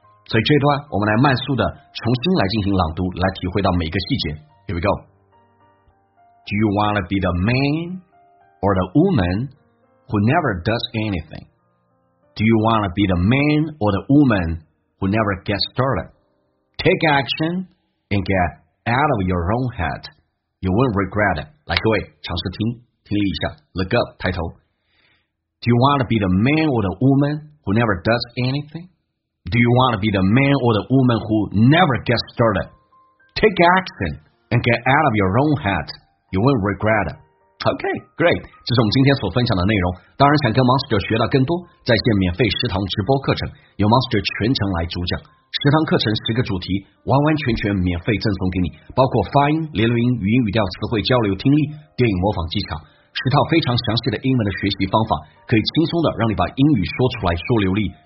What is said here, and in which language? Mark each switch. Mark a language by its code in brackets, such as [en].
[zh] 所以这段我们来慢速的重新来进行朗读，来体会到每个细节。 [en] Here we go。 Do you want to be the man or the woman who never does anything？ Do you want to be the man or the womanwho never gets started？ Take action and get out of your own head， you won't regret it。 [zh] 来，各位尝试听力一下， [en] look up [zh] 抬头。 [en] Do you want to be the man or the woman who never does anything？ Do you want to be the man or the woman who never gets started？ Take action and get out of your own head， you won't regret it。 OK, great， [zh] 这是我们今天所分享的内容。当然想跟 Monster 学到更多，在线免费十堂直播课程，由 Monster 全程来主讲，十堂课程十个主题完完全全免费赠送给你，包括发音、连录音、语音语调、词汇交流、听力、电影模仿技巧。十套非常详细的英文的学习方法，可以轻松的让你把英语说出来说流利。